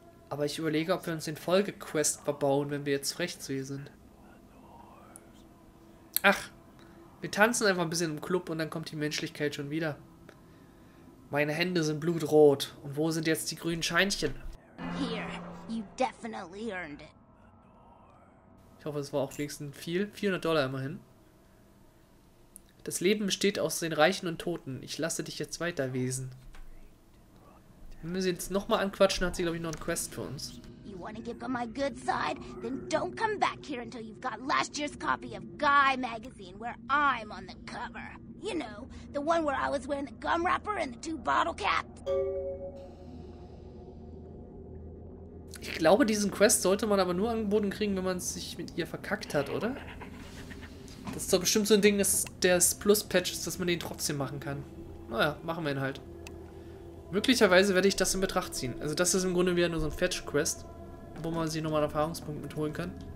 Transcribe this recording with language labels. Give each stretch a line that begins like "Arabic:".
German: Aber ich überlege, ob wir uns den Folgequest verbauen, wenn wir jetzt frech zu ihr sind. Ach, wir tanzen einfach ein bisschen im Club und dann kommt die Menschlichkeit schon wieder. Meine Hände sind blutrot. Und wo sind jetzt die grünen Scheinchen?
English: Here, you definitely earned it.
German: Ich hoffe, es war auch wenigstens viel. $400 immerhin. Das Leben besteht aus den Reichen und Toten. Ich lasse dich jetzt weiterwesen. Wenn wir sie jetzt nochmal anquatschen, hat sie, glaube ich, noch einen Quest für uns.
English: You wanna give them my good side? Then don't come back here until you've got last year's copy of Guy magazine, where I'm on the cover. You know, the one where I was wearing the gum wrapper and the two bottle caps.
German: Ich glaube, diesen Quest sollte man aber nur angeboten kriegen, wenn man sich mit ihr verkackt hat, oder? Das ist doch bestimmt so ein Ding, dass das Plus-Patch ist, dass man den trotzdem machen kann. Naja, machen wir ihn halt. Möglicherweise werde ich das in Betracht ziehen. Also das ist im Grunde wieder nur so ein Fetch-Quest, wo man sie nochmal Erfahrungspunkte mitholen kann.